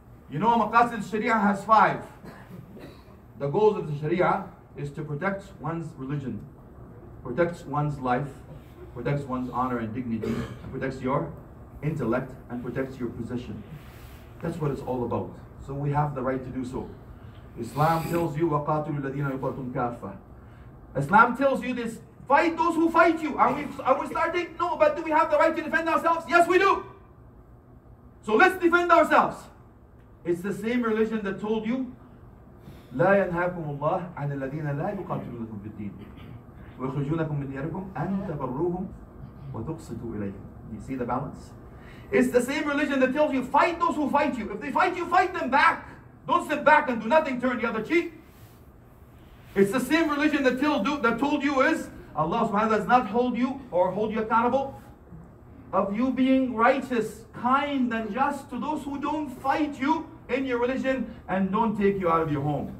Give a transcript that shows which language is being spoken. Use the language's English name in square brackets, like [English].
[English] You know, Maqasid Sharia has five. The goals of the Sharia is to protect one's religion, protect one's life, protect one's honor and dignity, and protect your intellect, and protect your possession. That's what it's all about. So we have the right to do so. Islam tells you, [Arabic] وَقَاتُلُوا الَّذِينَ يُقَاتُلُونَ كَافَةً. [English] Islam tells you this, fight those who fight you. Are we starting? No, but do we have the right to defend ourselves? Yes, we do. So let's defend ourselves. It's the same religion that told you, [Arabic] لا ينهاكم الله عن الذين لا يقاتلونكم في الدين ويخرجونكم من ديارهم أن تبروهم وتقسطوا إليهم. [English] You see the balance? It's the same religion that tells you, fight those who fight you. If they fight you, fight them back. Don't sit back and do nothing, turn the other cheek. It's the same religion that told you is, Allah subhanahu wa ta'ala does not hold you or hold you accountable of you being righteous, kind, and just to those who don't fight you in your religion and don't take you out of your home.